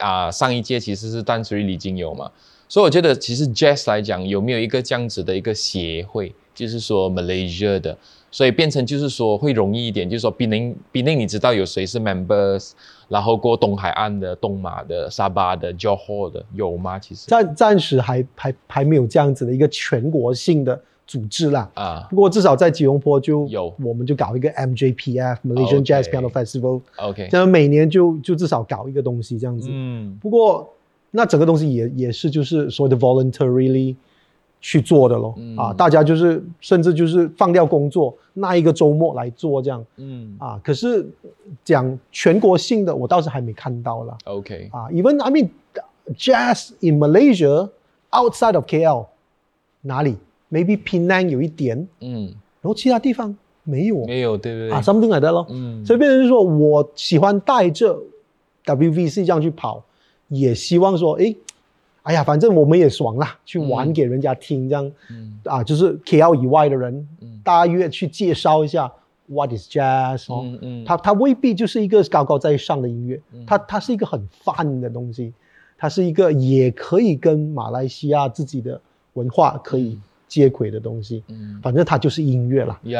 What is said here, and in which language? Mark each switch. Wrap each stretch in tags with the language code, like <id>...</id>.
<zh>上一届其实是伴随李金友嘛。所以我觉得，其实 Jazz 来讲，有没有一个这样子的一个协会，就是说 Malaysia 的。所以变成就是说会容易一点，就是说比宁你知道有谁是 members， 然后过东海岸的、东马的、沙巴的、Johor 的有吗？其实暂时还没有这样子的一个全国性的组织啦。啊，不过至少在吉隆坡就有，我们就搞一个 MJPF Malaysian Jazz Piano Festival。</zh> <en>OK，</en> <zh>这样每年就至少搞一个东西这样子。嗯，不过那整个东西也是就是所谓的 voluntarily。去做的咯、大家就是甚至就是放掉工作那一个周末来做这样、可是讲全国性的我倒是还没看到啦。</zh> <en>OK Even I mean Jazz in Malaysia outside of KL 哪里 maybe Penang</en> <zh>有一点、然后其他地方没有没有对不对、 something like that 咯、所以变成说我喜欢带着 WVC 这样去跑，也希望说哎呀反正我们也爽啦，去玩给人家听这样、就是 KL 以外的人、大约去介绍一下</zh> <en>What is Jazz、</en> <zh>它未必就是一个高高在上的音乐、它是一个很 fun 的东西，它是一个也可以跟马来西亚自己的文化可以接轨的东西、反正它就是音乐啦、</zh>